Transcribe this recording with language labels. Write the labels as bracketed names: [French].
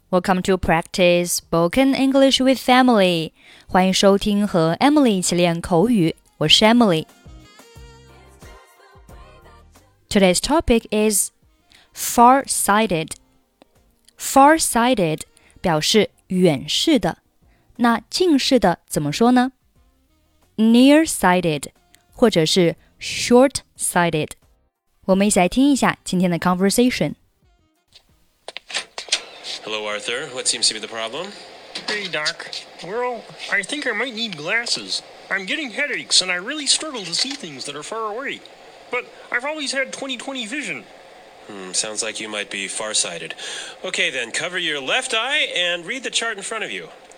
[English] Welcome to Practice Spoken English with Emily. [Chinese] 欢迎收听和 Emily 一起练口语。我是 Emily. [English] Today's topic is far-sighted. [Chinese] Far-sighted 表示远视的。那近视的怎么说呢？ [English] Near-sighted [Chinese] 或者是 [English] short-sighted. [Chinese] 我们一起来听一下今天的 conversation. [English] Hello, Arthur. What seems to be the problem? Hey, Doc. Well, I think I might need glasses. I'm getting headaches, and I really struggle to see things that are far away. But I've always had 20-20 vision. Sounds like you might be farsighted. Okay, then, cover your left eye and read the chart in front of you.